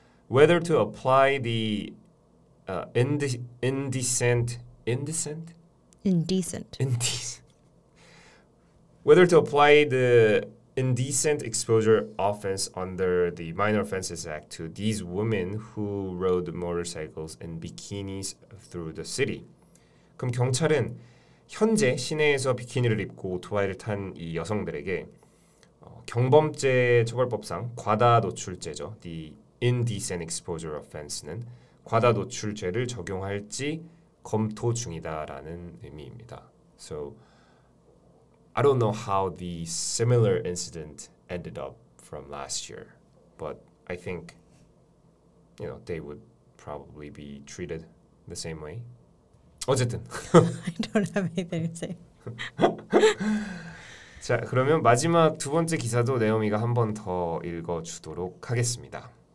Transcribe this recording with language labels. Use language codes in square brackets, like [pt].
[en] Whether to apply the whether to apply the indecent exposure offense under the Minor Offenses Act to these women who rode motorcycles in bikinis through the city. [ko] 그럼 경찰은 현재 시내에서 비키니를 입고 오토바이를 탄 이 여성들에게 경범죄 처벌법상 과다 노출죄죠. [en] The indecent exposure offense [ko] 는 과다 노출죄를 적용할지 검토 중이다라는 의미입니다. [en] So I don't know how the similar incident ended up from last year, but I think you know they would probably be treated the same way. [ko] 어쨌든 [en] I don't have anything to say. [ko] 자, 그러면 마지막 두 번째 기사도 네오미가 한 번 더 읽어주도록 하겠습니다.